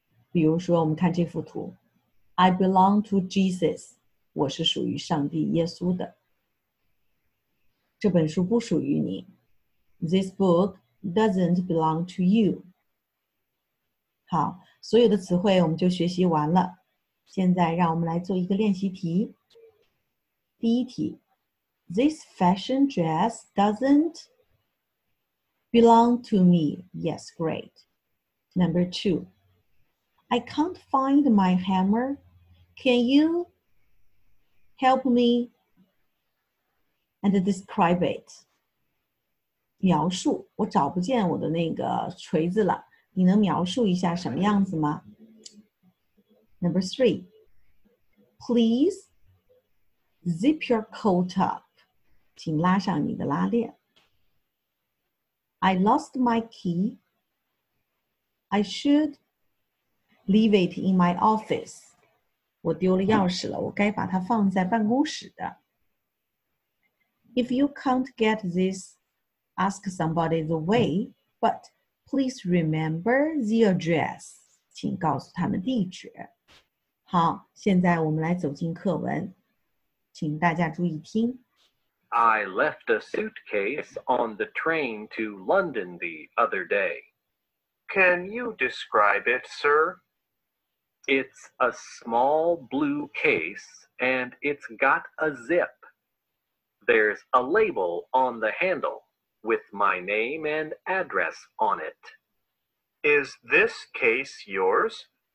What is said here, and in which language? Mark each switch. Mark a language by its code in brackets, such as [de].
[zh] 比如说我们看这幅图 [en] I belong to Jesus, [zh] 我是属于上帝耶稣的。这本书不属于你。 [en] This book doesn't belong to you. [zh] 好，所有的词汇我们就学习完了。现在让我们来做一个练习题。第一题 [en] ，This fashion dress doesn't belong to me. Yes, great. Number two, I can't find my hammer. Can you help me and describe it? [zh] 描述，我找不见我的那个锤子了，你能描述一下什么样子吗？ [en] Number three, please zip your coat up. [zh] 请拉上你的拉链。 [en] I lost my key. I should leave it in my office. [zh] 我丢了钥匙了，我该把它放在办公室的。 [en] If you can't get thisAsk somebody the way, but please remember the address. [zh] 请告诉他们地址。好，现在我们来走进课文，请大家注意听。 [en] I left a suitcase on the train to London the other day. Can you describe it, sir? It's a small blue case, and it's got a zip. There's a label on the handle. With my name and address on it. Is this case yours?